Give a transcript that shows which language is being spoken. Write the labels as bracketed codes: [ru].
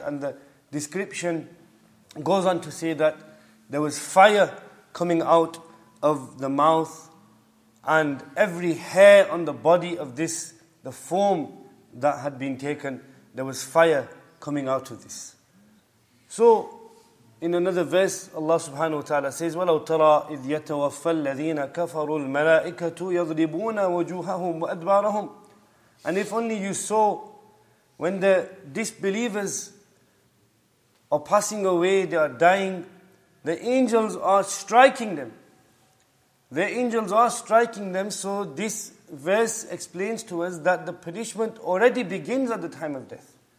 [en] And the description goes on to say that there was fire coming out of the mouth, and every hair on the body of this, the form that had been taken, there was fire coming out of this. So, in another verse, Allah subhanahu wa ta'ala says, [ar] وَلَوْ تَرَىٰ إِذْ يَتَوَفَّى الَّذِينَ كَفَرُوا الْمَلَائِكَةُ يَضْرِبُونَ وَجُوهَهُمْ وَأَدْبَارَهُمْ. [en] And if only you saw, when the disbelievers are passing away, they are dying, the angels are striking them. The angels are striking them. So this verse explains to us that the punishment already begins at the time of death.